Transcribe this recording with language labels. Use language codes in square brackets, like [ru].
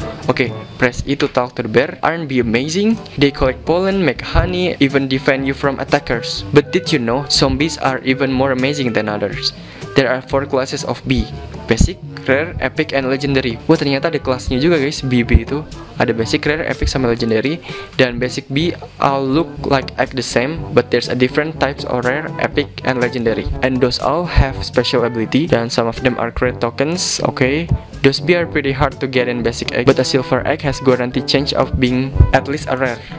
[en] Oke, press E to talk to the bear. Aren't bee amazing? They collect pollen, make honey, even defend you from attackers. But did you know, zombies are even more amazing than others. There are 4 classes of bee. Basic, rare, epic, and legendary. [id] Wah, ternyata ada kelasnya juga, guys, bee-bee itu. Ada basic, rare, epic, sama legendary. [en] Dan basic bee all look like act the same, but there's a different types of rare, epic, and legendary. And those all have special ability, dan some of them are great tokens, okay? Those bee are pretty hard to get in basic egg, but a silver egg has guaranteed chance of being at least a rare.